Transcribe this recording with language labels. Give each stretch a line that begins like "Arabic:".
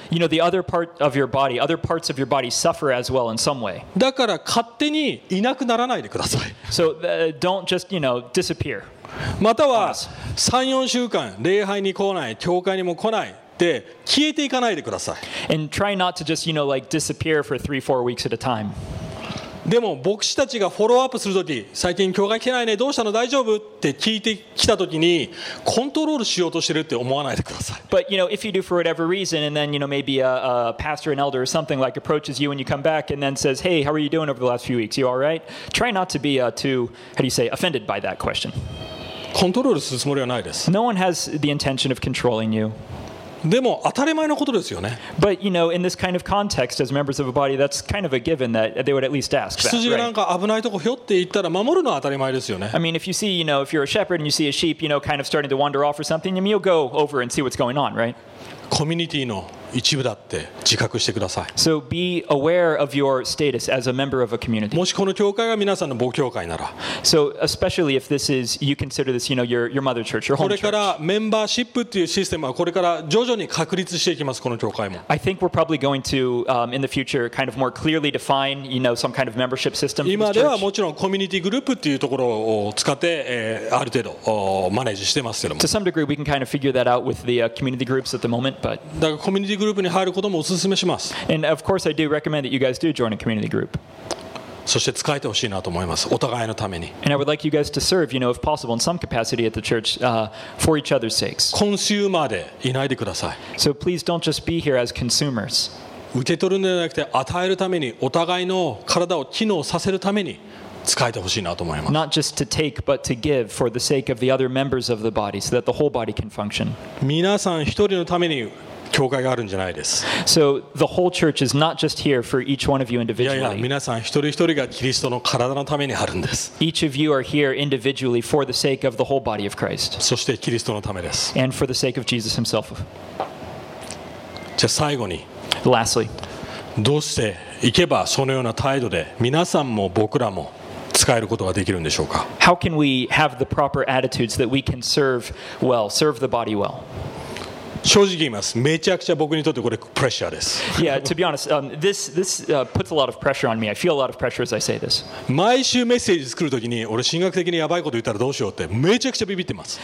English: You know, the other part of your body, other parts of your body suffer as well in some way.
Japanese: だから勝手にいなくならないでください。
English: So don't just, you know, disappear.
Japanese: または 3-4週間礼拝に来ない、教会にも来ないって消えていかないでください。
English: And try not to just, you know, like disappear for 3-4 weeks at a time.
Japanese: でも牧師たちがフォローアップするとき、最近教会来てないね、どうしたの、大丈夫って聞いてきたときに、コントロールしようとしてるって思わないでください。
English: But you know, if you do for whatever reason, and then you know, maybe a pastor, an elder, or something like approaches you when you come back and then says, hey, how are you doing over the last few weeks? You all right? Try not to be too, how do you say, offended by that question.
Japanese: コントロールするつもりはないです。
English: No one has the intention of controlling you.
Japanese: でも当たり前のことですよね。
English: But you know, in this kind of context, as members of a body, that's kind of a given that they would at least ask that.
Japanese: 羊なんか危ないとこひょって行ったら守るのは当たり前ですよね。
English: I mean, if you see, you know, if you're a shepherd and you see a sheep, you know, kind of starting to wander off or something, then you'll go over and see what's going on, right?
Japanese: コミュニティの一部だって自覚してください。
English: So be aware of your status as a member of a community.
Japanese: もしこの教会が皆さんの母教会なら。
English: So especially if this is you consider this, you know, your mother church, your home church.
Japanese: これからメンバーシップっていうシステムはこれから徐々に確立していきますこの教会も。
English: I think we're probably going to, in the future, kind of more clearly define, you know, some kind of membership system.
Japanese: 今ではもちろんコミュニティグループっていうところを使って、ある程度、マネージしてますけども。
English: To some degree, we can kind of figure that out with the community groups at the moment, but.
Japanese: だからコミュニティグループに入ることもお勧めします。
English: And of course, I do recommend that you guys do join a community group.
Japanese: そして使えてほしいなと思います。お互いのために。
English: And I would like you guys to serve, you know, if possible, in some capacity at the church, for each other's sakes.
Japanese: コンシューマーでいないでください。
English: So please don't just be here as consumers.
Japanese: 受け取るんじゃなくて与えるためにお互いの体を機能させるために使えてほしいなと思います。
English: Not just to take, but to give for the sake of the other members of the body, so that the whole body can function.
Japanese: 皆さん一人のために。教会があるんじゃないです。
English: So the whole church is not just here for each one of you individually.
Japanese: いやいや、皆さん一人一人がキリストの体のためにあるんです。
English: Each of you are here individually for the sake of the whole body of Christ.
Japanese: そしてキリストのためです。
English: And for the sake of Jesus himself.
Japanese: じゃあ最後に。
English: Lastly.
Japanese: どうして行けばそのような態度で皆さんも僕らも使えることができるんでしょうか。
English: How can we have the proper attitudes that we can serve well, serve the body well?
Japanese: 正直言います。めちゃくちゃ僕にとってこれプレッシャーです。
English: Yeah, to be honest, this puts a lot of pressure on me. I feel a lot of pressure as I say this.
Japanese: 毎週メッセージ作るときに、俺神学的にやばいこと言ったらどうしようってめちゃくちゃビビってます。